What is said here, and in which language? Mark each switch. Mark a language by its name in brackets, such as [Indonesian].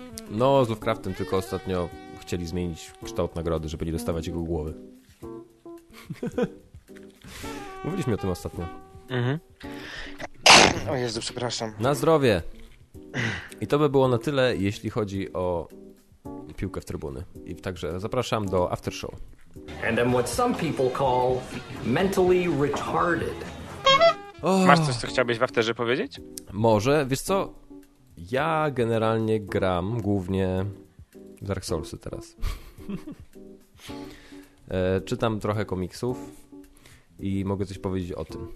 [Polish] No, z Lovecraftem, tylko ostatnio chcieli zmienić kształt nagrody, żeby nie dostawać jego głowy. Mówiliśmy o tym ostatnio. O Jezu, przepraszam. Na zdrowie. I to by było na tyle, jeśli chodzi o piłkę w trybuny. I także zapraszam do aftershow. [English] And I'm what some people call mentally retarded. [Polish] Masz coś, co chciałbyś w afterze powiedzieć? Może, wiesz co? Ja generalnie gram głównie w Dark Soulsy teraz. czytam trochę komiksów. I mogę coś powiedzieć o tym.